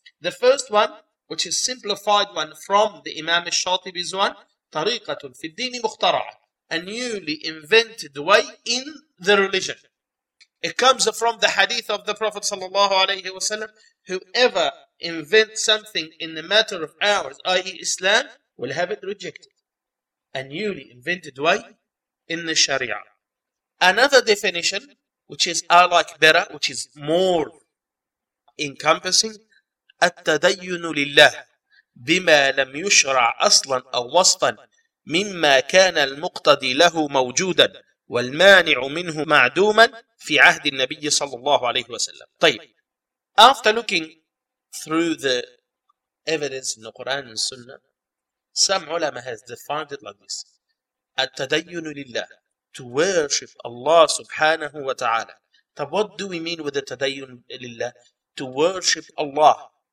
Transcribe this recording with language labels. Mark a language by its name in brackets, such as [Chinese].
[English] The first one, which is simplified one from the Imam al-Shatibi's one, [Arabic] tariqatun fi al-din mukhtara', [English] a newly invented way in the religion. It comes from the hadith of the Prophet sallallahu alayhi wa sallam, whoever invents something in the matter of hours, i.e. Islam, will have it rejected. A newly invented way in the Sharia. Another definition, which is alike better, which is more encompassing, [Arabic] التدين لله بما لم يشرع أصلا أو وصفا مما كان المقتدي له موجودا والمانع منه معدوما في عهد النبي صلى الله عليه وسلم. طيب. [English] After looking through the evidence in the Quran and Sunnah, some ulama has defined it like this. التدين لله, to worship Allah subhanahu wa ta'ala. But what do we mean with the tadayyun lillah? To worship Allah.